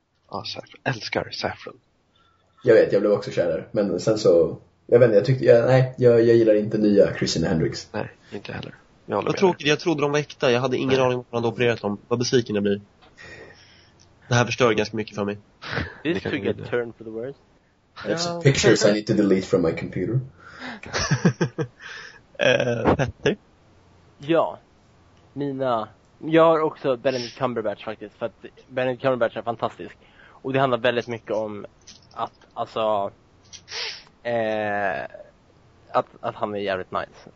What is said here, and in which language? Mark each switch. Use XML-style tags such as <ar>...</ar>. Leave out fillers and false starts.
<sv>Ja, Saffron. Älskar Saffron. Jag vet, jag blev också kär där. Men sen så... Jag vet inte, jag gillar inte nya Christina Hendricks. Nej, inte heller. Vad tråkigt, jag trodde de var äkta. Jag hade ingen aning om vad de hade opererat dem. Vad besviken det blir. Det här förstör ganska mycket för mig.</sv> <en>This took a turn for the worst. It's pictures I need to delete from my computer.</en> <sv>Petter? Ja, jag har också Benedict Cumberbatch faktiskt. För att Benedict Cumberbatch är fantastisk. Och det handlar väldigt mycket om att, alltså, att han är jävligt nice.</sv>